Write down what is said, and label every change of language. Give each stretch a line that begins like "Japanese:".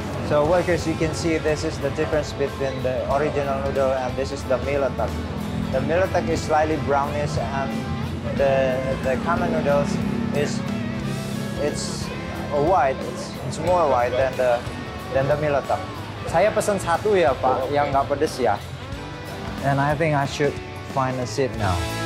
English: So workers, you can see this is the difference between the original noodle and this is the mee letek. The mee letek is slightly brownish and the common noodles is it's more white than the mee letek.
Indonesian: Saya pesan satu ya, Pak, oh, okay, yang nggak pedes ya.
English: And I think I should find a seat now.